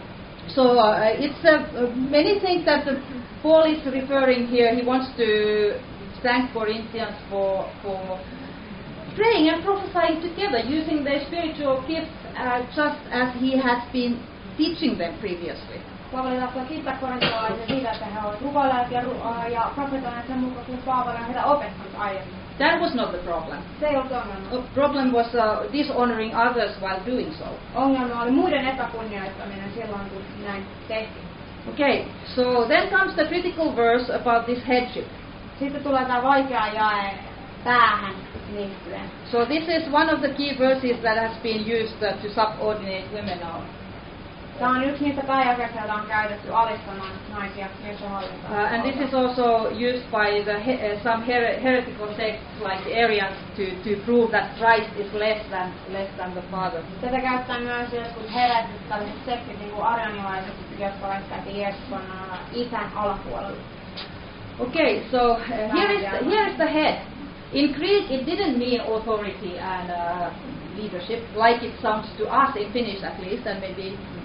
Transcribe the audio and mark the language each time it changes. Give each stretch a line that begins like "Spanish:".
English: You can read the verses. So she doesn't have to repeat. Okay, so it's many things that Paul is referring here. He wants to thank Corinthians for praying and prophesying together, using their spiritual gifts, just as he has been teaching them previously.
Finnish: Paavali tahtoo kiittää korintolaisia siitä, että he ovat rukoilleet ja profetoineet sen mukaan, kun Paavali on heitä opettanut aiemmin.
English: That was not the problem.
Finnish: Se ei ollut ongelma.
English: The problem was dishonoring others while doing so.
Finnish: Ongelma oli muiden epäkunnioittaminen silloin, kun näin tehtiin.
English: Okay, so then comes the critical verse about this headship.
Finnish: Sitten tulee tämä vaikea jae päähän.
English: So this is one of the key verses that has been used to subordinate women now.
Finnish: Tämä on yksi niistä pääjakeista, joita on käytetty alistamaan naisia miesten.
English: And this is also used by the some heretical sects like Arians to prove that Christ is less than the Father.
Finnish: Tätä käyttää myös jotkut heretit tai sektit, niin kuin arianilaiset, jotka väittävät, että Jeesus on isän alapuolella.
English: Okay, so here is the head. In Greek, it didn't mean authority and leadership, like it sounds to us in Finnish at least, and maybe.